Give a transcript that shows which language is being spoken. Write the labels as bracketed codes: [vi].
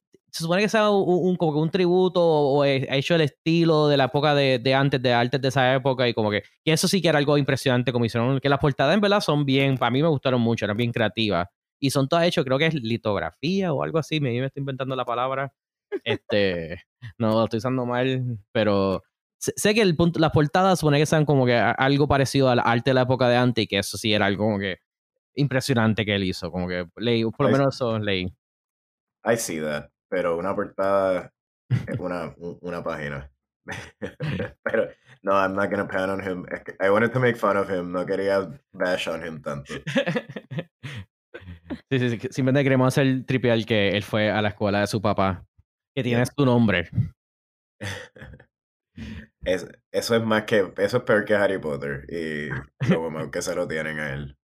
[es] se supone que sea un tributo o hecho el estilo de la época de antes, de artes de esa época, y como que eso sí que era algo impresionante como hicieron, que las portadas en verdad son bien, para mí me gustaron mucho, eran bien creativas, y son todas hechas, creo que es litografía o algo así, me estoy inventando la palabra, no, lo estoy usando mal, pero sé que las portadas supone que sean como que algo parecido al arte de la época de antes, y que eso sí era algo como que impresionante que él hizo, como que leí, por lo menos eso leí. [en] I see that. [es] Pero una portada es una página. Pero no, [en] I'm not going to pan on him. I wanted to make fun of him. [es] No quería [en] bash on him [es] tanto. Sí. Simplemente queremos hacer tripear que él fue a la escuela de su papá. Que tiene su nombre. Eso es peor que Harry Potter. Y como que se lo tienen a él.